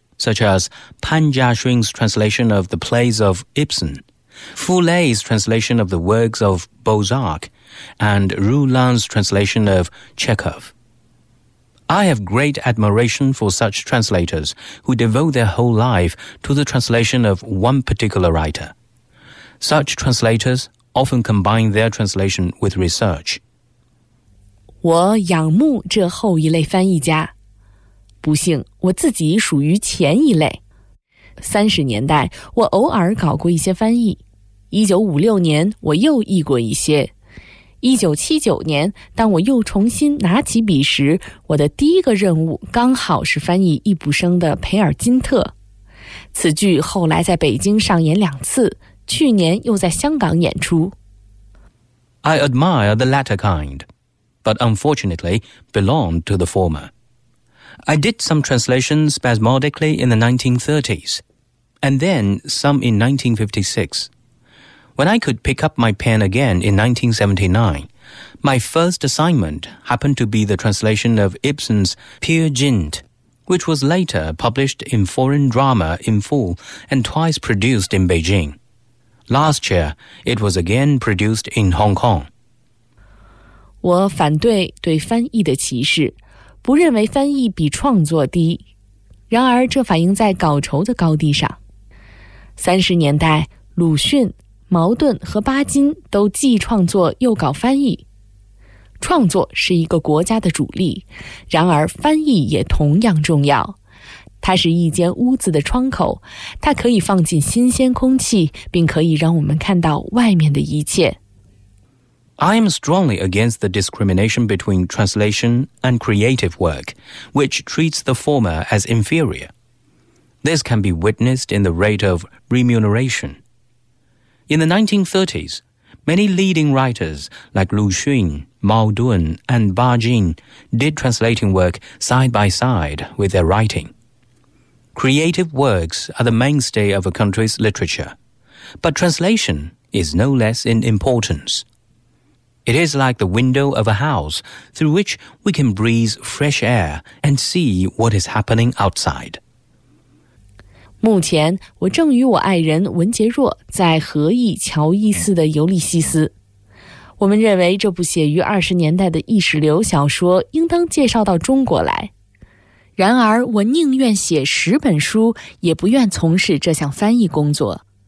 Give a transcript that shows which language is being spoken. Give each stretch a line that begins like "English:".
English: Such as Pan Jia Xun's translation of the plays of Ibsen, Fu Lei's translation of the works of Balzac, and Ru Lan's translation of Chekhov. I have great admiration for such translators who devote their whole life to the translation of one particular writer. Such translators often combine their translation with research.
Chinese: 我仰慕这后一类翻译家。不幸，我自己属于前一类。 30年代，我偶尔搞过一些翻译。1956年，我又译过一些。 1979年，当我又重新拿起笔时，我的第一个任务刚好是翻译易卜生的《培尔金特》。此剧后来在北京上演2次，去年又在香港演出。
English: I admire the latter kind, but unfortunately belong to the former. I did some translations spasmodically in the 1930s, and then some in 1956. When I could pick up my pen again in 1979, my first assignment happened to be the translation of Ibsen's Peer Gynt, which was later published in Foreign Drama in full and twice produced in Beijing. Last year, it was again produced in Hong Kong.
Chinese: 我反对对翻译的歧视，不认为翻译比创作低。然而，这反映在稿酬的高低上。30年代，鲁迅、茅盾和巴金都既创作又搞翻译。创作是一个国家的主力，然而翻译也同样重要。它是一间屋子的窗口，它可以放进新鲜空气，并可以让我们看到外面的一切。
English: I am strongly against the discrimination between translation and creative work, which treats the former as inferior. This can be witnessed in the rate of remuneration. In the 1930s, many leading writers like Lu Xun, Mao Dun, and Ba Jin did translating work side by side with their writing. Creative works are the mainstay of a country's literature, but translation is no less in importance. It is like the window of a house through which we can breathe fresh air and see what is happening outside.
Chinese: 目前我正与我爱人文杰若在合译乔伊斯的《尤利西斯》。我们认为这部写于20年代的意识流小说应当介绍到中国来。然而我宁愿写10本书也不愿从事这项翻译工作。